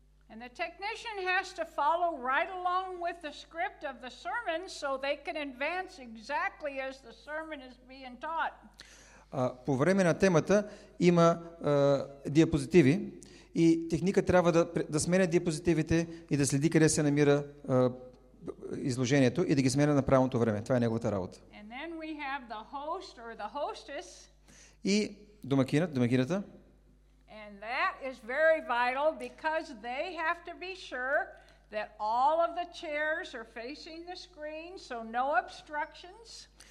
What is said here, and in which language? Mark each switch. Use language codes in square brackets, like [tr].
[en] And the technician has to follow right along with the script of the sermon so they can advance exactly as the sermon is being taught. [bg] По време на темата има диапозитиви и техника трябва да сменя диапозитивите и да следи къде се намира изложението и да ги сменя на правилното време. Това е неговата работа. [en] And then we have the host or the hostess. [bg] И домакината. [en] And that is very vital because they have to be sure that all of the chairs are facing the screen, so no obstructions.